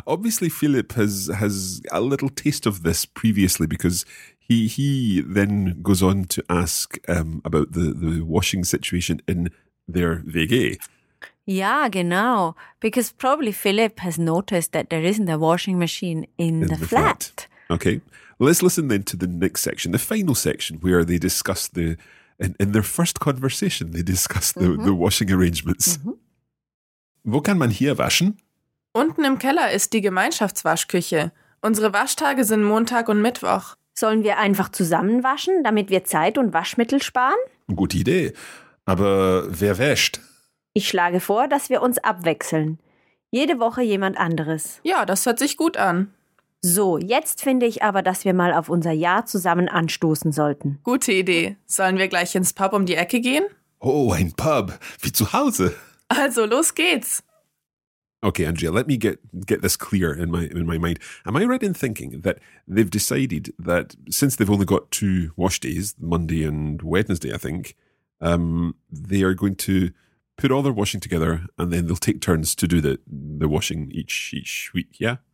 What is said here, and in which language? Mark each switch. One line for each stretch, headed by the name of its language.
English: Obviously, Philipp has a little taste of this previously because he then goes on to ask about the washing situation in their WG. Yeah, genau. Because probably Philipp has noticed that there isn't a washing machine in the flat. Okay, let's listen then to the next section, the final section, where they discuss in their first conversation, they discuss the, mm-hmm. the washing arrangements.
German: Mm-hmm. Wo kann man hier waschen? Unten im Keller ist die Gemeinschaftswaschküche. Unsere Waschtage sind Montag und Mittwoch. Sollen wir einfach zusammen waschen, damit wir Zeit und Waschmittel sparen? Gute Idee, aber wer wäscht? Ich schlage vor, dass wir uns abwechseln. Jede Woche jemand anderes. Ja, das hört sich gut an. So, jetzt finde ich aber, dass wir mal auf unser Jahr zusammen anstoßen sollten. Gute Idee. Sollen wir gleich ins Pub um die Ecke gehen? Oh, ein Pub. Wie zu Hause. Also, los geht's.
English: Okay, Andrea, let me get this clear in my mind. Am I right in thinking that they've decided that since they've only got two wash days, Monday and Wednesday, I think, they are going to put all their washing together and then they'll take turns to do the washing each week, yeah?